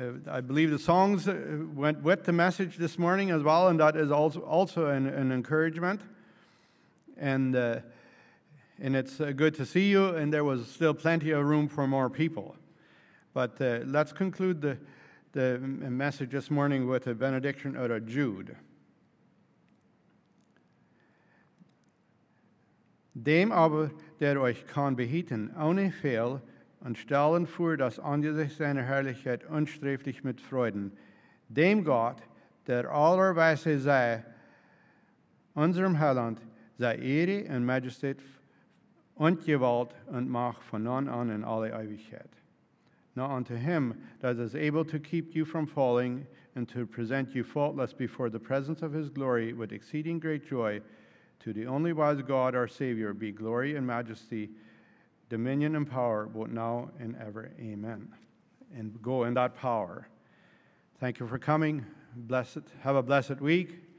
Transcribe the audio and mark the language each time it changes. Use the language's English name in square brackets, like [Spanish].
[English] I believe the songs went with the message this morning as well, and that is also an encouragement. And it's good to see you, and there was still plenty of room for more people. But let's conclude the message this morning with a benediction out of Jude. [German] Dem aber, der euch kann behieten, ohne Fehl, und stellen vor das Angesicht seiner Herrlichkeit unsträflich mit Freuden, dem Gott, der aller Weise sei, unserem Heiland, sei Ehre und Majestät und Gewalt und Macht von nun an in alle Ewigkeit. [English] Now unto him that is able to keep you from falling and to present you faultless before the presence of his glory with exceeding great joy, To the only wise God, our Savior, be glory and majesty, dominion and power, both now and ever. Amen. And go in that power. Thank you for coming. Have a blessed week.